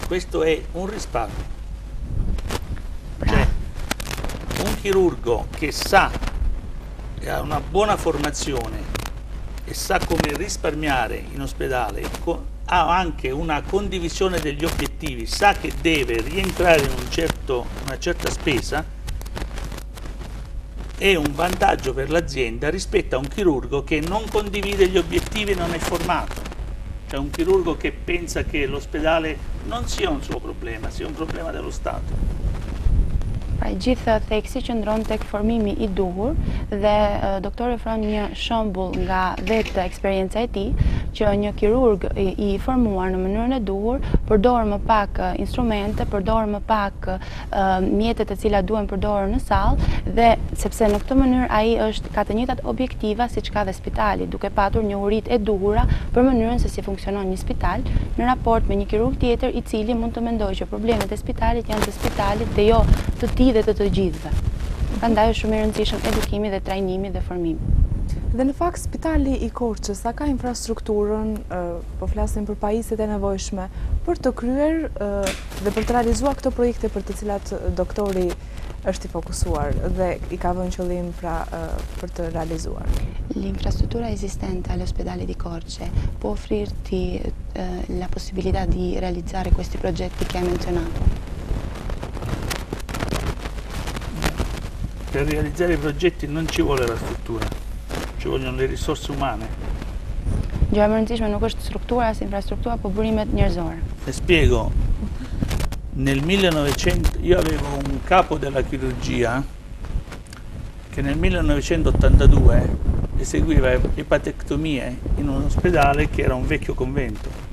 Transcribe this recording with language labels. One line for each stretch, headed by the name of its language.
Italian: Questo è un risparmio. Cioè, un chirurgo che sa, ha una buona formazione e sa come risparmiare in ospedale, ha anche una condivisione degli obiettivi, sa che deve rientrare in una certa spesa, è un vantaggio per l'azienda rispetto a un chirurgo che non condivide gli obiettivi e non è formato. Cioè un chirurgo che pensa che l'ospedale non sia un suo problema, sia un problema dello Stato.
Albanian: Pra gjithë theksi qëndron tek formimi i duhur dhe doktori ofron një shembull nga vetë eksperjenca e tij që një kirurg i formuar në mënyrën e duhur përdor më pak instrumente, përdor më pak mjetet të cilat duhen përdorur në sallë dhe sepse në këtë mënyrë ai është ka të njëjtat objektiva siç ka dhe spitali, duke patur një uritë e duhura për mënyrën se si funksionon një spital në raport me një kirurg tjetër i cili mund të mendojë që problemet e spitalit janë të spitalit dhe jo të tij dhe të gjithëve. Prandaj është shumë e rëndësishme edukimi dhe trajnimi dhe formimi. Dhe në fakt spitali i Korçës sa ka infrastrukturën, po flasim për pajisjet e nevojshme për të kryer dhe për të realizuar këto projekte për të cilat doktori është i fokusuar dhe i ka vënë qëllim pra për të realizuar.
Italian: L'infrastruttura esistente all'ospedale di Corce può offrirti la possibilità di realizzare questi progetti che hai menzionato? Per realizzare i progetti non ci vuole la struttura, ci vogliono le risorse umane.
Albanian: Gjo e më rëndësishme nuk është struktura, as infrastruktura, po burimet njerëzore.
Italian: E spiego, nel 1900, io avevo un capo della chirurgia che nel 1982 eseguiva epatectomie in un ospedale che era un vecchio convento.